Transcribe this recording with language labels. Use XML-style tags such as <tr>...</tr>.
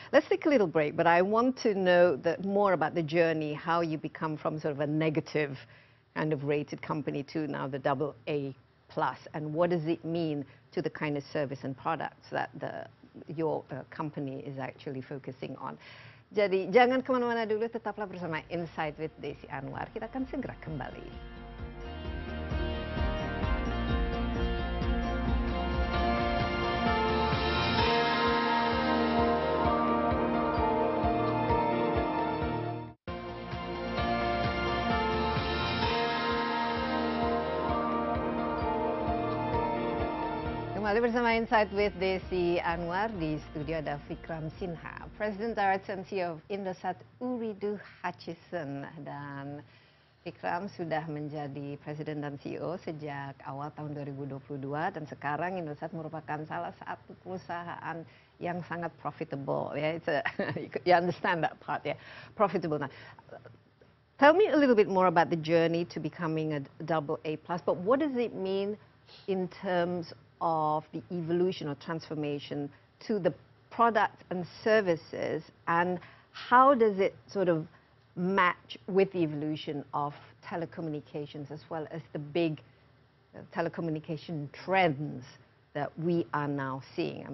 <en>Let's take a little break, but I want to know that more about the journey, how you become from sort of a negative kind of rated company to now the double A plus, and what does it mean to the kind of service and products that your company is actually focusing on.</en> <id>Jadi, jangan kemana-mana dulu, tetaplah bersama Insight with Desi Anwar. Kita akan segera kembali. Kembali bersama Insight with Desi Anwar, di studio ada Vikram Sinha, President Director and CEO of Indosat Uridu Hutchison. Dan Vikram sudah menjadi President dan CEO sejak awal tahun 2022, dan sekarang Indosat merupakan salah satu perusahaan yang sangat profitable.</id> <en>Yeah, you understand that part, yeah? Profitable. Now, tell me a little bit more about the journey to becoming a double A plus, but what does it mean in terms of the evolution or transformation to the product and services, and how does it sort of match with the evolution of telecommunications as well as the big telecommunication trends that we are now seeing?</en>